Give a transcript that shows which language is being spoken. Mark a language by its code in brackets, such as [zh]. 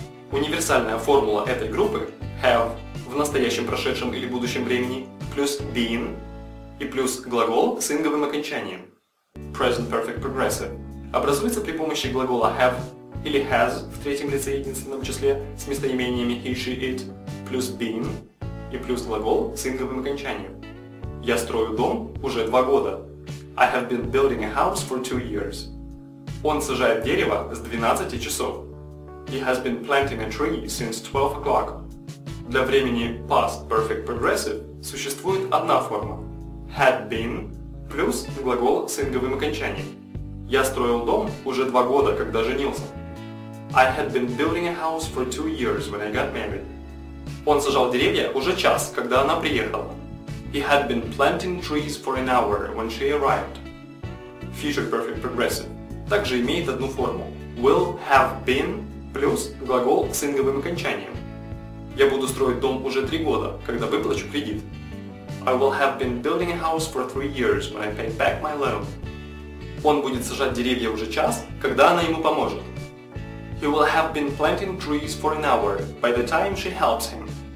[ru] Универсальная формула этой группы have в настоящем, прошедшем или будущем времени плюс been и плюс глагол с инговым окончанием present perfect progressive образуется при помощи глагола have или has в третьем лице единственном числе с местоимениями he, she, it плюс been и плюс глагол с инговым окончанием. Я строю дом уже 2 года. [en] I have been building a house for 2 years. [ru] Он сажает дерево с 12 часов. [en] He has been planting a tree since 12 o'clock. [ru] Для времени past perfect progressive существует одна форма – had been плюс глагол с инговым окончанием. Я строил дом уже 2 года, когда женился. [en] I had been building a house for 2 years when I got married. [ru] Он сажал деревья уже час, когда она приехала. [en] He had been planting trees for an hour when she arrived. [ru] Future perfect progressive также имеет одну форму – will have been плюс глагол с инговым окончанием. Я буду строить дом уже 3 года, когда выплачу кредит. [en] I will have been building a house for 3 years when I pay back my loan. [ru] Он будет сажать деревья уже час, когда она ему поможет. [en] He will have been planting trees for an hour by the time she helps him.